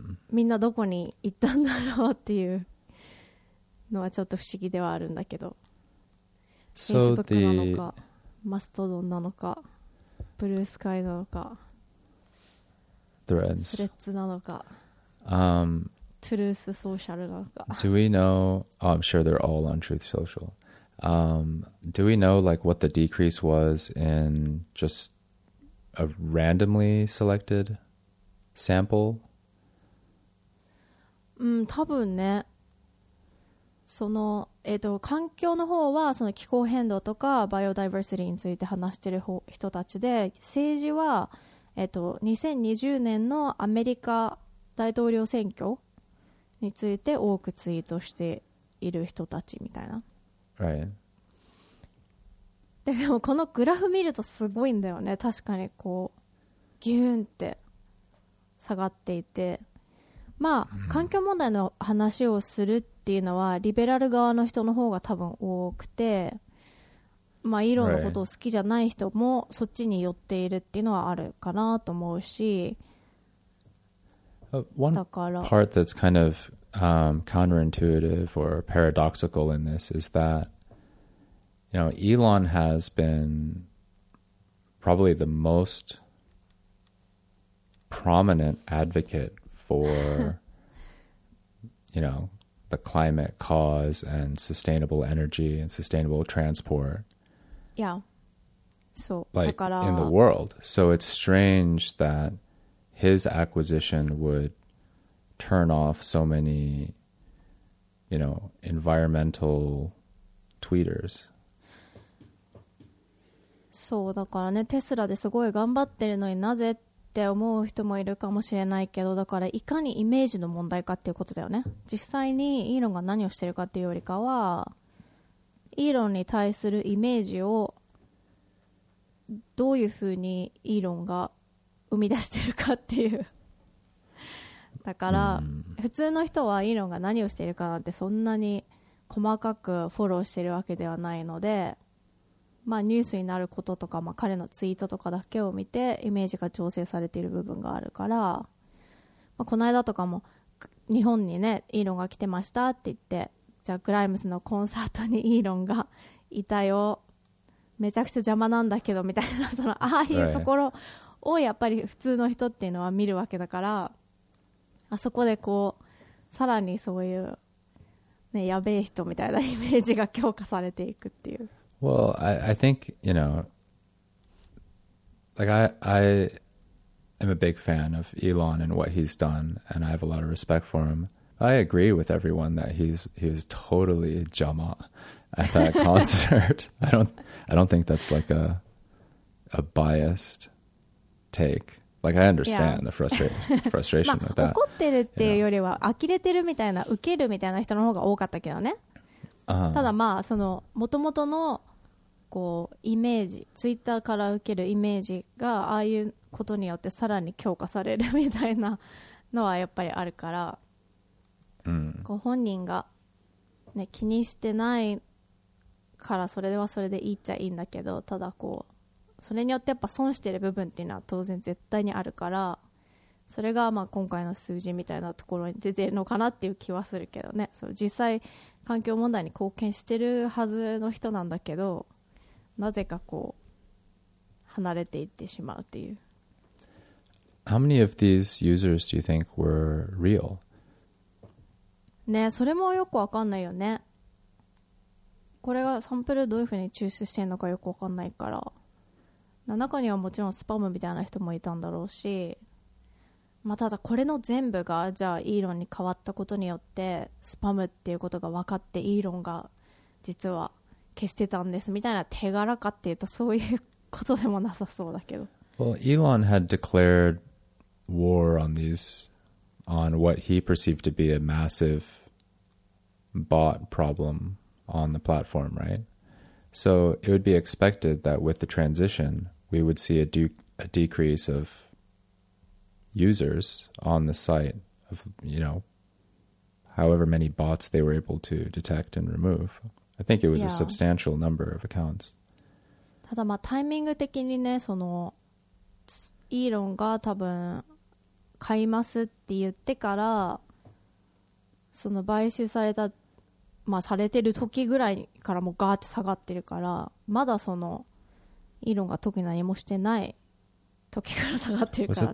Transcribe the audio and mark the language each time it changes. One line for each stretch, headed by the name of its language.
Japanese: みんなどこに行ったんだろうっていうのはちょっと不思議ではあるんだけど、 Facebook なのかマストドンなのかブルースカイなのか
English: Threads
Japanese: スレッズなのか、トゥルースソーシャルなのか、
English: Do we know、oh, I'm sure they're all on Truth Social、Do we know like what the decrease was in just a randomly selectedsample?
Japanese: 多分ね、その、環境の方はその気候変動とかバイオダイバーシティについて話してる人たちで、政治は、2020年のアメリカ大統領選挙について多くツイートしている人たちみたいな、
English: right.
Japanese: でもこのグラフ見るとすごいんだよね、確かにこうギューンって下がっていて、まあ環境問題の話をするっていうのはリベラル側の人の方が多分多くて、まあイーロンのことを好きじゃない人もそっちに寄っているっていうのはあるかなと思うし、
English: One part that's kind of counterintuitive or paradoxical in this is that, you know, Elon has been probably the most prominent advocate for, you know, the climate cause and sustainable energy and sustainable transport. Yeah. So, like in the world. So it's strange that his acquisition would turn off so many, you know, environmental tweeters.
Japanese: そうだからね、テスラですごい頑張ってるのになぜって思う人もいるかもしれないけど、だからいかにイメージの問題かっていうことだよね。実際にイーロンが何をしてるかっていうよりかは、イーロンに対するイメージをどういうふうにイーロンが生み出してるかっていう。だから普通の人はイーロンが何をしているかなんてそんなに細かくフォローしているわけではないので、まあニュースになることとか、まあ彼のツイートとかだけを見てイメージが調整されている部分があるから、まあこの間とかも日本にねイーロンが来てましたって言って、じゃあグライムスのコンサートにイーロンがいたよ、めちゃくちゃ邪魔なんだけどみたいな、そのああいうところをやっぱり普通の人っていうのは見るわけだから、あそこでこうさらにそういう、ね、やべえ人みたいなイメージが強化されていくっていう。
English: Well, I think, you know, like I am a big fan of Elon and what he's done, and I have a lot of respect for him. I agree with everyone that he's totally jama at that concert. I don't think that's like a biased take. Like, I understand the frustration with that.
Japanese: 怒ってるっていうよりは、呆れてるみたいな、受けるみたいな人の方が多かったけどね。ただまあ、その、もともとの、こう、イメージ、ツイッターから受けるイメージが、ああいうことによってさらに強化されるみたいなのはやっぱりあるから、こう、本人が、ね、気にしてないから、それではそれでいいっちゃいいんだけど、ただこう、それによってやっぱ損してる部分っていうのは当然絶対にあるから、それがまあ今回の数字みたいなところに出てるのかなっていう気はするけどね。その実際環境問題に貢献してるはずの人なんだけど、なぜかこう離れていってしまうっていう。
English: How many of these users do you think were real?
Japanese: ね、それもよくわかんないよね。これがサンプルどういうふうに抽出してるのかよくわかんないから、中にはもちろんスパムみたいな人もいたんだろうし、まあ、ただこれの全部がじゃあイーロンに変わったことによってスパムっていうことが分かって、イーロンが実は消してたんですみたいな手柄かっていうと、そういうことでもなさそうだけど。
English: Well, Elon had declared war on these, on what he perceived to be a massive bot problem on the platform, right? So it would be expected that with the transition, we would see a decrease of users on the site of, you know, however many bots they were able to detect and remove. I think it was a substantial number of accounts.
Japanese: ただまあタイミング的にね、そのイーロンが多分買いますって言ってから、その買収されたまあ、されてる時ぐらいからもうガーって下がってるから、まだそのイーロンが特に何もしてない時から下がってるから、